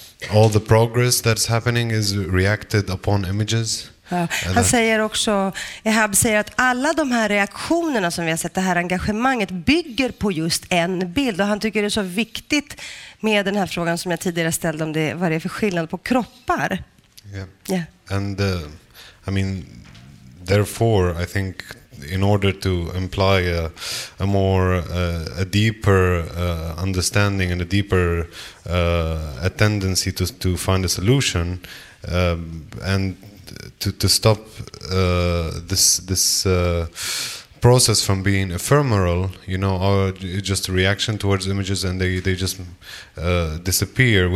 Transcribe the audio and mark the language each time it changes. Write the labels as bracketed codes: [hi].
[en] All the progress that's happening is reacted upon images. [sv] Ja. Han säger också, Ehab säger att alla de här reaktionerna som vi har sett, det här engagemanget, bygger på just en bild. Och han tycker det är så viktigt med den här frågan som jag tidigare ställde, om det, vad det är för skillnad på kroppar. [en] And I mean, therefore, I think in order to imply a more a deeper understanding and a deeper a tendency to find a solution and to stop this process from being ephemeral, you know, or just a reaction towards images and they just disappear.